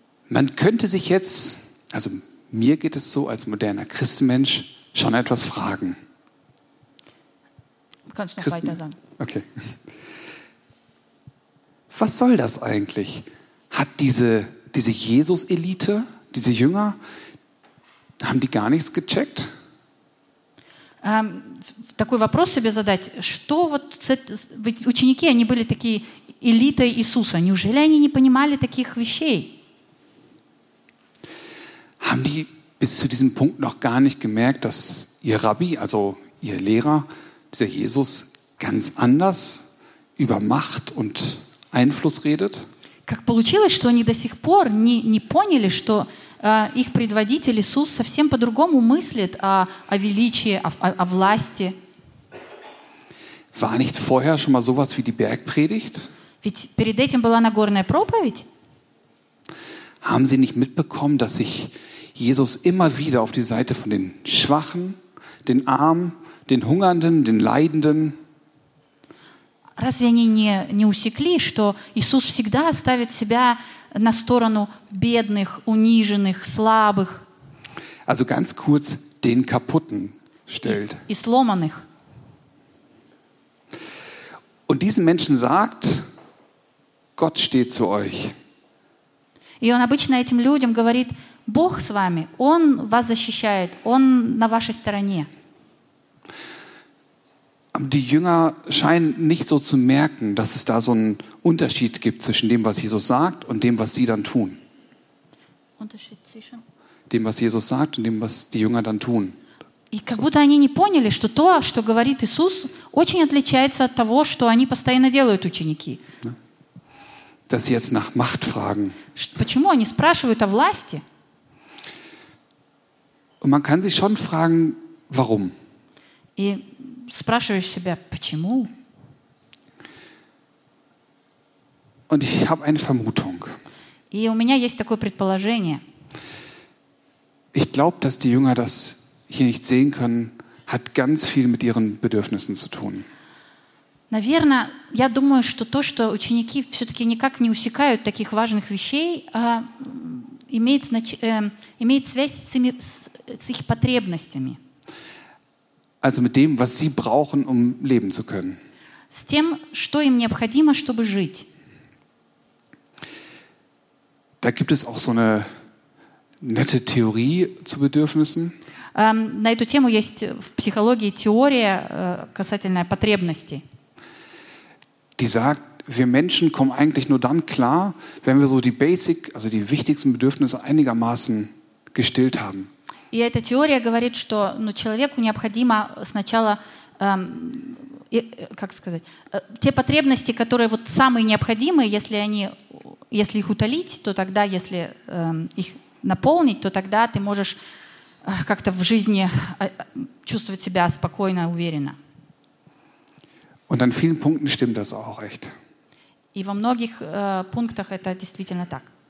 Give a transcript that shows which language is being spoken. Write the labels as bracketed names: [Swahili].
[German] Man könnte sich jetzt, also mir geht es so als moderner Christenmensch, schon etwas fragen. Kannst du noch Christen- weiter sagen? Okay. Was soll das eigentlich? Hat diese Jesus-Elite, diese Jünger, haben die gar nichts gecheckt? [Russian] Такой вопрос себе задать, что вот ученики, они были такие элитой Иисуса, неужели они не понимали таких вещей? [German] Haben die bis zu diesem Punkt noch gar nicht gemerkt, dass ihr Rabbi, also ihr Lehrer, dieser Jesus, ganz anders über Macht und Einfluss redet? [Russian] Как получилось, что они до сих пор не поняли, что их предводитель Иисус совсем по-другому мыслит о величии, о власти? [German] War nicht vorher schon mal sowas wie die Bergpredigt? [Russian] Ведь перед этим была Нагорная проповедь? [German] Haben sie nicht mitbekommen, dass sich Jesus immer wieder auf die Seite von den Schwachen, den Armen, den Hungernden, den Leidenden? [Russian] Разве они не усекли, что Иисус всегда ставит себя на сторону бедных, униженных, слабых? [German] Also ganz kurz den Kaputten stellt. [Russian] И сломанных. [German] Und diesen Menschen sagt: Gott steht zu euch. [Russian] И он обычно этим людям говорит: Бог с вами, Он вас защищает, Он на вашей стороне. [German] Die Jünger scheinen nicht so zu merken, dass es da so einen Unterschied gibt zwischen dem, was Jesus sagt und dem, was sie dann tun. Unterschied zwischen? Dem, was Jesus sagt und dem, was die Jünger dann tun. [Russian] И как будто они не поняли, что то, что говорит Иисус, очень отличается от того, что они постоянно делают ученики. [German] Dass sie jetzt nach Macht fragen. [Russian] Почему они спрашивают о власти? [German] Und man kann sich schon fragen, warum. [Russian] И спрашиваешь себя, почему? [German] Und ich habe eine Vermutung. [Russian] И у меня есть такое предположение. [German] Ich glaube, dass die Jünger das hier nicht sehen können, hat ganz viel mit ihren Bedürfnissen zu tun. [Russian] Наверное, я думаю, что то, что ученики все-таки никак не усекают таких важных вещей, имеет связь с их потребностями. [German] Also mit dem, was sie brauchen, um leben zu können. [Russian] С тем, что им необходимо, чтобы жить. [German] Da gibt es auch so eine nette Theorie zu Bedürfnissen. [Russian] На эту тему есть в психологии теория касательно потребностей. [German] Die sagt, wir Menschen kommen eigentlich nur dann klar, wenn wir so die basic, also die wichtigsten Bedürfnisse einigermaßen gestillt haben. [Russian] И эта теория говорит, что человеку необходимо сначала, те потребности, которые вот самые необходимые, если их утолить, то тогда, если их наполнить, то тогда ты можешь как-то в жизни чувствовать себя спокойно, уверенно. [German] Und an vielen Punkten stimmt das auch echt. [Russian] И во многих пунктах это действительно так.